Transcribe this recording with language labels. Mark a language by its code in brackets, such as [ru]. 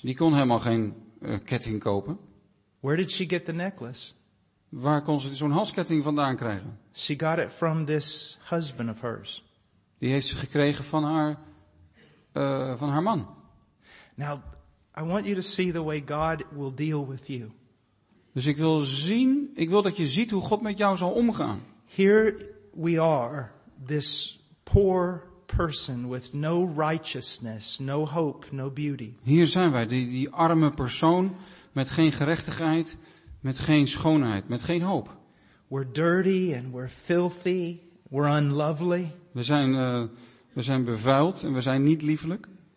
[nl] Die kon helemaal geen ketting kopen. [en] Where did she get the necklace? [nl] Waar kon ze zo'n halsketting vandaan krijgen? [en] She got it from this husband of hers. [nl] Die heeft ze gekregen van haar man. [en] Now, I want you to see the way God will deal with you. [nl] Dus ik wil dat je ziet hoe God met jou zal omgaan. [en] Here we are, this poor person with no righteousness, no hope, no beauty. [nl] Hier zijn wij, die arme persoon met geen gerechtigheid. Met geen schoonheid, met geen hoop. [en] We're dirty and we're filthy, we're unlovely. [nl] We zijn bevuild en we zijn niet liefelijk.